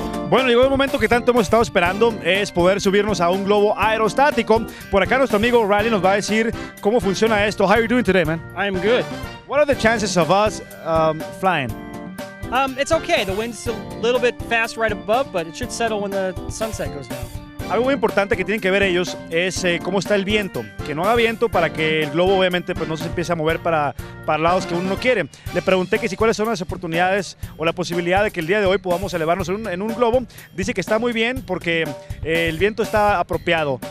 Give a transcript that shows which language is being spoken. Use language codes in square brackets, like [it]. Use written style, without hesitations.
[es] Bueno, llegó el momento que tanto hemos estado esperando, es poder subirnos a un globo aerostático. Por acá nuestro amigo Riley nos va a decir cómo funciona esto. [en] How are you doing today, man? I'm good. What are the chances of us flying? It's okay. The wind's a little bit fast right above, but it should settle when the sunset goes down. [es] Algo muy importante que tienen que ver ellos es cómo está el viento. Que no haga viento para que el globo obviamente pues, no se empiece a mover para lados que uno no quiere. Le pregunté que si cuáles son las oportunidades o la posibilidad de que el día de hoy podamos elevarnos en un globo. Dice que está muy bien porque el viento está apropiado.